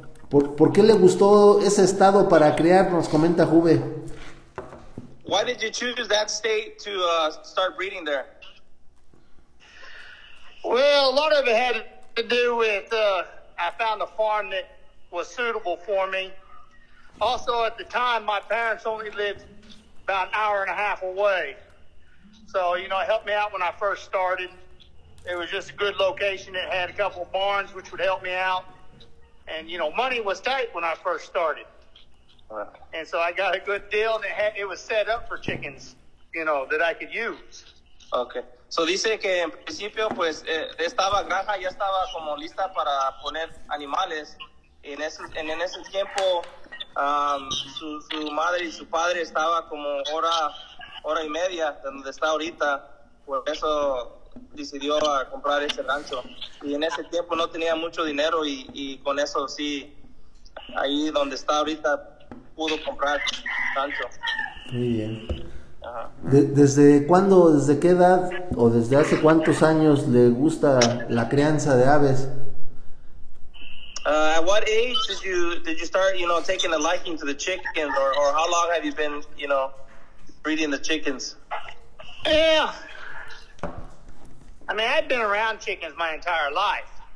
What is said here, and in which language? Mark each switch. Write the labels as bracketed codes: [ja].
[es] ¿Por qué le gustó ese estado para crearnos? Comenta Juve. [en] Why did you choose that state to start breeding there? Well, a lot of it had to do with I found a farm that was suitable for me. Also, at the time, my parents only lived about an hour and a half away. So, you know, it helped me out when I first started. It was just a good location. It had a couple of barns, which would help me out. And, you know, money was tight when I first started. And so I got a good deal, and it was set up for chickens, you know, that I could use. Okay. [es] So dice que en principio, pues, estaba granja, ya estaba como lista para poner animales. En ese tiempo, su madre y su padre estaba como hora y media de donde está ahorita. Por eso decidió a comprar ese rancho. Y en ese tiempo no tenía mucho dinero y con eso sí, ahí donde está ahorita, pudo comprar rancho. Muy bien. ¿Desde cuándo, desde qué edad o desde hace cuántos años le gusta la crianza de aves? [en] At what age did you start, you know, taking a liking to the chickens, or how long have you been, you know, breeding the chickens? Yeah. I mean, I've been around chickens my entire life.